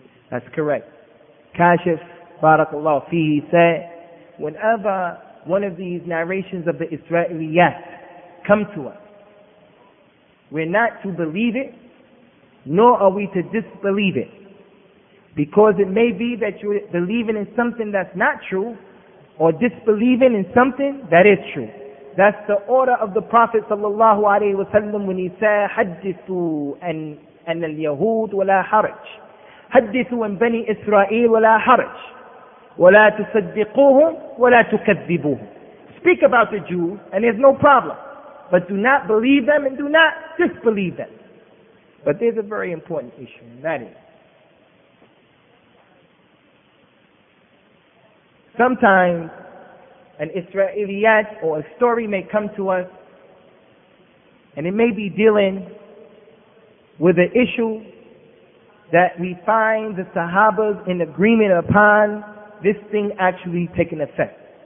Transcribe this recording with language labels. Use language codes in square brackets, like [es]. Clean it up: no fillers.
[en] That's correct. Kashif, barakallahu fihi, said, whenever one of these narrations of the Isra'iliyat come to us, we're not to believe it, nor are we to disbelieve it. Because it may be that you're believing in something that's not true, or disbelieving in something that is true. That's the order of the Prophet sallallahu alayhi wa sallam when he said, [ar] حَدِّثُوا أَنَّ الْيَهُودُ وَلَا حَرَجُ حَدِّثُوا أَنْ بَنِي إِسْرَائِيلُ وَلَا حَرَجُ وَلَا تُصَدِّقُوهُمْ وَلَا تُكَذِّبُوهُمْ. [en] Speak about the Jews and there's no problem. But do not believe them and do not disbelieve them. But there's a very important issue, and that is, sometimes an Isra'iliyat or a story may come to us and it may be dealing with an issue that we find the Sahabas in agreement upon this thing actually taking effect.